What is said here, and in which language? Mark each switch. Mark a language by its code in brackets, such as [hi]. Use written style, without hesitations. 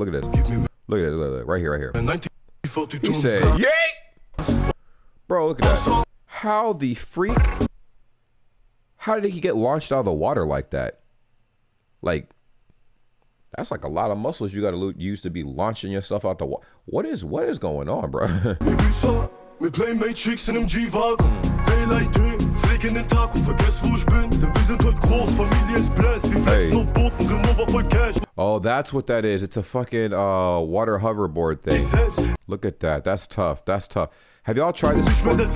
[en] Look at this. Look at this. Look, right here. He said, yay! Bro, look at that. How the freak? How did he get launched out of the water like that? Like, that's like a lot of muscles you gotta use to be launching yourself out the wall. What is going on, bro? We play Matrix in MG Wagen. Daylight day, [de] flick in den Tag und vergess wo ich bin. Denn wir sind heute groß, Familie ist blessed. Wir flexen auf Booten, sind [en] over for cash. Oh, that's what that is. It's a fucking water hoverboard thing. Look at that. That's tough. Have y'all tried this before?